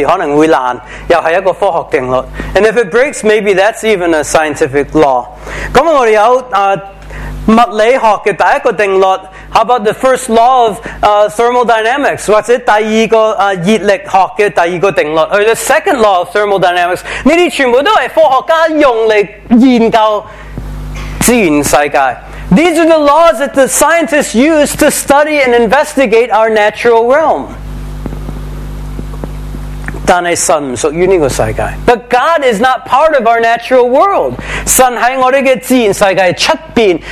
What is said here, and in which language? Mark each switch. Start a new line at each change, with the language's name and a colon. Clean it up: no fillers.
Chinese: 如果我再放多几次，可能会烂，又是一个科学定律。
English: And if it breaks, maybe that's even a scientific law.
Chinese: 我们有物理学的第一个定律。
English: How about the first law of thermodynamics?
Chinese: 或者第二个热力学的第二个定律。
English: Or the second law of thermodynamics.
Chinese: 这些全部都是科学家用来研究
English: These are the laws that the scientists use to study and investigate our natural realm.
Chinese: 但是神不属于这个世界。
English: But God is not part of our natural world.
Chinese: 神是我们的自然世界外面。